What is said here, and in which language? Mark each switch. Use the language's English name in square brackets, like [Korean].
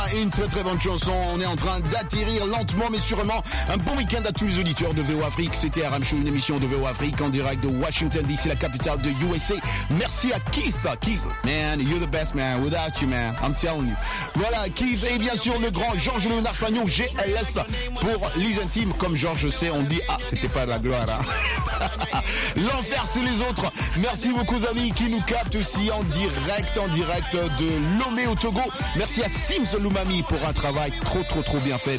[French] Très très bonne chanson, on est en train d'atterrir lentement mais sûrement. Un bon week-end à tous les auditeurs de VO Afrique, c'était RM Show, une émission de VO Afrique en direct de Washington DC, la capitale de USA. Merci à Keith, [English] Keith, man, you're the best man, without you man, I'm telling you. [French] Voilà, Keith et bien sûr le grand Georges Léonard Sagnon, GLS pour les intimes, comme Georges sait, on dit, ah c'était pas de la gloire, hein. L'enfer c'est les autres. Merci beaucoup amis qui nous captent aussi en direct de Lomé au Togo. Merci à Sims Lumami pour un travail trop trop trop bien fait.